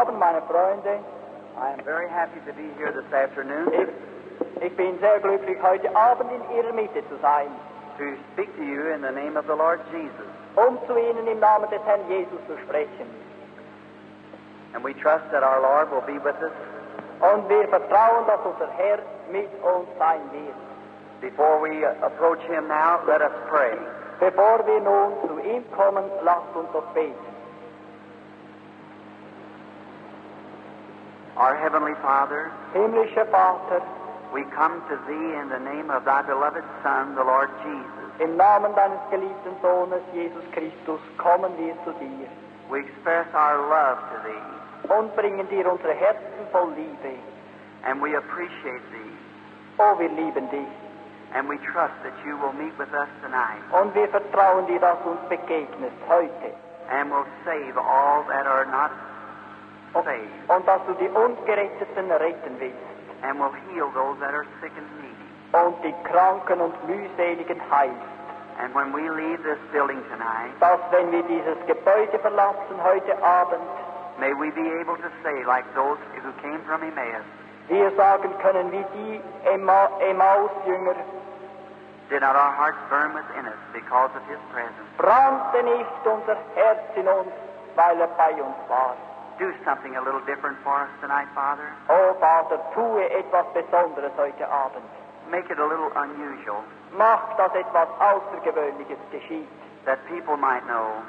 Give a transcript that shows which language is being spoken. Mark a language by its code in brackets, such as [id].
[en] I am very happy to be here this afternoon. [de] Ich bin sehr glücklich, heute Abend in Ihrer Mitte zu sein. [en] To speak to you in the name of the Lord Jesus. [de] Zu Ihnen im Namen des Herrn Jesus zu sprechen. [en] And we trust that our Lord will be with us. [de] Und wir vertrauen, dass unser Herr mit uns sein wird. [en] Before we approach Him now, let us pray. [de] Bevor wir nun zu ihm kommen, lasst uns doch beten. [en] Our Heavenly Father, [de] Himmlischer Vater, [en] we come to Thee in the name of Thy beloved Son, the Lord Jesus. [de] Im Namen Deines geliebten Sohnes, Jesus Christus, kommen wir zu Dir. [en] We express our love to Thee. [de] Und bringen Dir unsere Herzen voll Liebe. [en] And we appreciate Thee. [de] Oh, wir lieben Dich. [en] And we trust that You will meet with us tonight. [de] Und wir vertrauen Dir, dass uns begegnest heute. [en] And will save all that are not [de] und dass du die Ungeretteten retten willst. [en] And will heal those that are sick and needy. [de] Und die Kranken und Mühseligen heilst. [en] And when we leave this building tonight, [de] dass wenn wir dieses Gebäude verlassen heute Abend, [en] may we be able to say like those who came from Emmaus, [de] wir sagen können wie die Emmaus-Jünger, [en] did not our hearts burn within us because of His presence? [de] Brannte nicht unser Herz in uns, weil bei uns war. [en] Do something a little different for us tonight, Father. [de] Oh, Vater, tue etwas Besonderes heute Abend. [en] Make it a little unusual. [de] Mach, dass etwas Außergewöhnliches geschieht. [en] That people might know.